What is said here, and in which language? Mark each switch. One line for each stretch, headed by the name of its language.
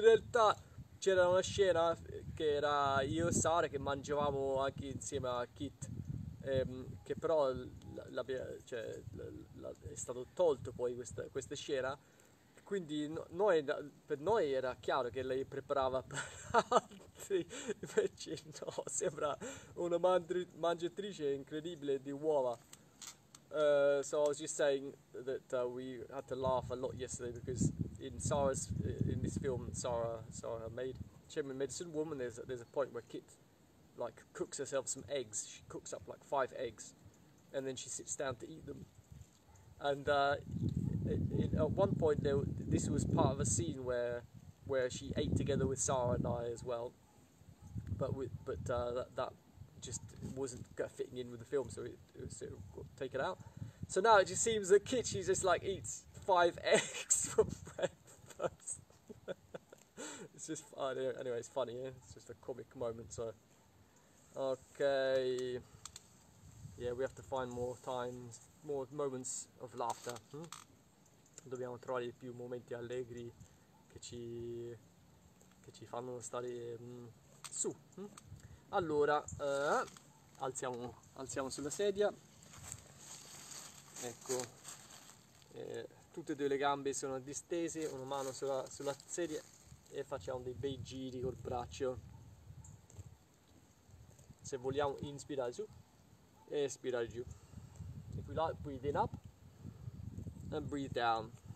Italian: realtà c'era una scena che era io e Sara che mangiavamo anche insieme a Kit, che però cioè, è stato tolto poi questa scena. Quindi no, noi, per noi era chiaro che lei preparava per altri, invece no, sembra una mangiatrice incredibile di uova.
English: So I was just saying that we had to laugh a lot yesterday because in this film, Sara made Chairman Medicine Woman, there's a point where Kit like cooks herself some eggs. She cooks up like five eggs and then she sits down to eat them. And at one point this was part of a scene where she ate together with Sara and I as well, but that just wasn't fitting in with the film, so it got taken out. So now it just seems that Kit, she just like eats five eggs for breakfast. It's just funny. Anyway, it's funny, yeah? It's just a comic moment, so. Okay. Yeah, we have to find more times, more moments of laughter.
Italian: Dobbiamo trovare più momenti allegri che ci fanno stare su. Allora, alziamo sulla sedia. Ecco, tutte e due le gambe sono distese, una mano sulla sedia e facciamo dei bei giri col braccio. Se vogliamo, inspirare su e espirare giù.
English: If we like, breathe in up and breathe down.